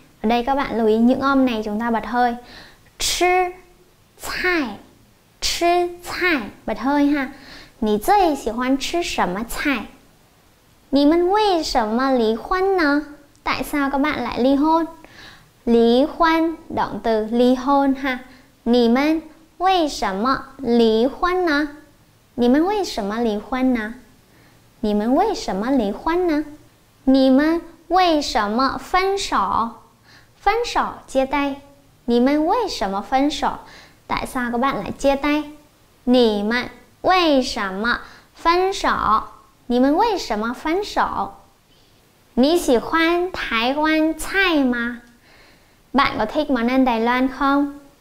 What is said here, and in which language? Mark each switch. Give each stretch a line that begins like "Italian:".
Vietnamese: Ở đây các bạn lưu ý những âm này chúng ta bật hơi.
Chinese: 吃菜, 吃菜,
Vietnamese: bật hơi ha.
Chinese: 你最喜欢吃什么菜?你们为什么离婚呢?
Vietnamese: Tại sao các bạn lại ly hôn?
Chinese: 离婚,
Vietnamese: động từ ly hôn ha.
Chinese: 你们为什么离婚呢? 你们为什么离婚呢? 你们为什么离婚呢? 你们为什么分手？分手
Vietnamese: chia tay.
Chinese: 你们为什么分手?
Vietnamese: Tại sao các bạn lại chia tay?
Chinese: 你们为什么分手?你们为什么分手? 你喜欢台湾菜吗?
Vietnamese: Bạn có thích món ăn Đài Loan không?